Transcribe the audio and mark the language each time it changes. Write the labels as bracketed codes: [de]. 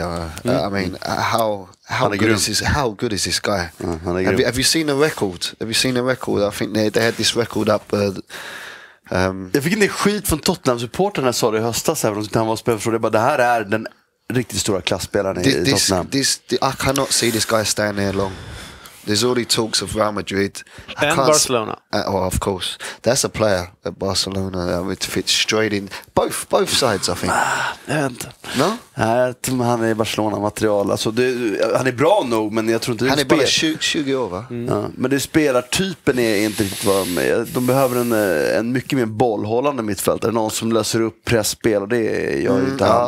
[en] I mean, how good is this guy? Have you seen the record? Have you seen the record? I think they had this record up. [sv] Jag fick en del skit från Tottenham supporterna när jag sa det i höstas, även om han var spelförfrågad. Jag bara, det här är den riktigt stora klassspelaren i Tottenham. [en] I cannot see this guy stand there long. There's already talks of Real Madrid. And Barcelona. Oh, of course. That's a player at Barcelona that would fit straight in. Both sides, I think. [sv] Jag vet inte. [en] No? [sv] Nej, jag tror han är Barcelona-material. Alltså, han är bra nog, men jag tror inte... Han är bara 20 år, va? Mm. Ja, men det spelartypen är inte riktigt vad de är. De behöver en mycket mer bollhållande mittfältare. Någon som löser upp pressspel, och det gör ju inte han.